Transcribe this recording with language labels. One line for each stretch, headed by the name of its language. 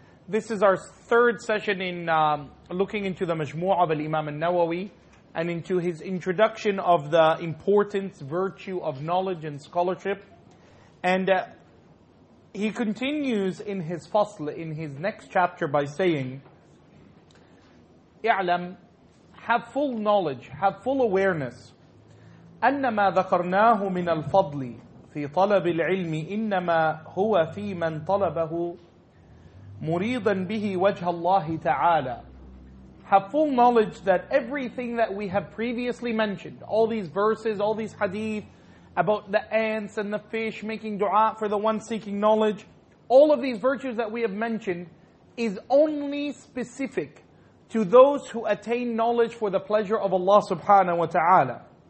English: This is our third session in looking into the Majmu' of Imam al-Nawawi and into his introduction of the importance, virtue of knowledge and scholarship. And he continues in his fasl, in his next chapter, by saying, اعلم, have full knowledge, have full awareness.
Arabic: أنما ذكرناه من الفضل في طلب العلم إنما هو في من طلبه مريضا به وجه الله تعالى.
English: Have full knowledge that everything that we have previously mentioned, all these verses, all these hadith about the ants and the fish making dua for the one seeking knowledge, all of these virtues that we have mentioned is only specific to those who attain knowledge for the pleasure of Allah subhanahu wa ta'ala.